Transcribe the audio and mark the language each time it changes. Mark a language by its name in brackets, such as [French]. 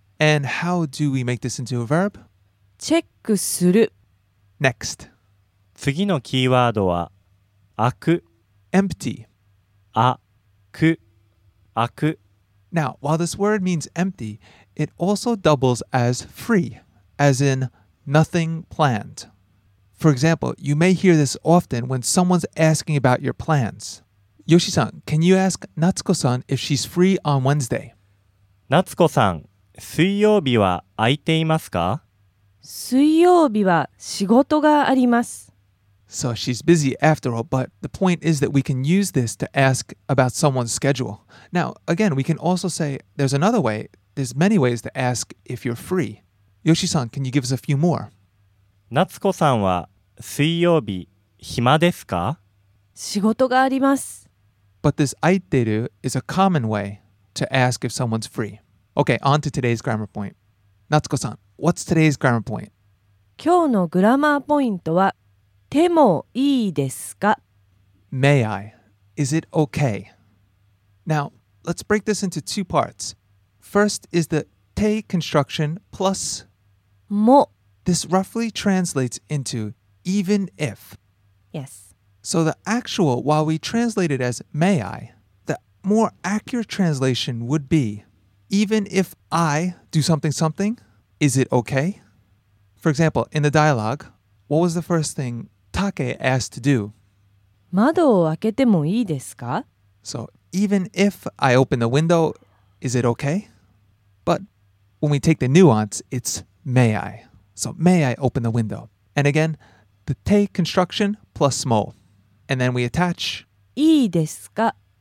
[English] And how do we make this into a verb? [Japanese] チェックする。 [English] Next. [Japanese] 次のキーワードは、開く。 [English] Empty. [Japanese] 開く。開く。 [English] Now, while this word means empty, it also doubles as free, as in nothing planned. For example, you may hear this often when someone's asking about your plans. Yoshi-san, can you ask Natsuko-san if she's free on Wednesday? [Japanese] Natsuko-san, 水曜日は空いていますか? 水曜日は仕事があります。 [English] So she's busy after all, but the point is that we can use this to ask about someone's schedule. Now, again, we can also say there's another way. There's many ways to ask if you're free. Yoshi-san, can you give us a few more? [Japanese] Natsuko-san は水曜日暇ですか? 仕事があります。 [English] But this 空いてる is a common way to ask if someone's free. Okay, on to today's grammar point. Natsuko-san, what's today's grammar point? [Japanese] 今日のグラマーポイントは手もいいですか? [English] May I? Is it okay? Now, let's break this into two parts. First is the te construction plus [Japanese] も. [English] This roughly translates into even if. Yes. So the actual, while we translate it as may I, the more accurate translation would be even if I do something something, is it okay? For example, in the dialogue, what was the first thing? Take asked to do. [Japanese] 窓を開けてもいいですか? [English] So, even if I open the window, is it okay? But when we take the nuance, it's may I. So, may I open the window? And again, the te construction plus mo. And then we attach [Japanese] いいですか?